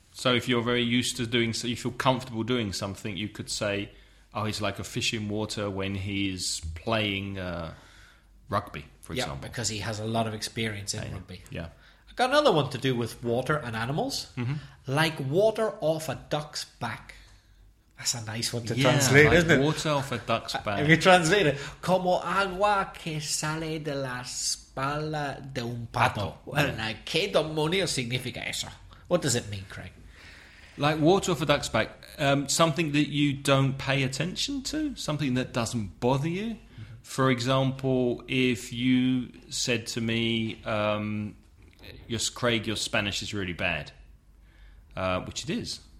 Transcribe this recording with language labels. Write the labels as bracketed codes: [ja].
[en] So if you're very used to doing so, you feel comfortable doing something, you could say, oh, he's like a fish in water when he's playing rugby, for example. Yeah, because he has a lot of experience in rugby. Yeah. I've got another one to do with water and animals. Mm-hmm. Like water off a duck's back. That's a nice one to translate, like, isn't it? Water off a duck's back. If you translate it, [es] como agua que sale de la espalda de un pato. [en] Well, now, [es] ¿qué demonio significa eso? [en] What does it mean, Craig? Like water off a duck's back. Something that you don't pay attention to. Something that doesn't bother you. For example, if you said to me, Craig, your Spanish is really bad, which it is.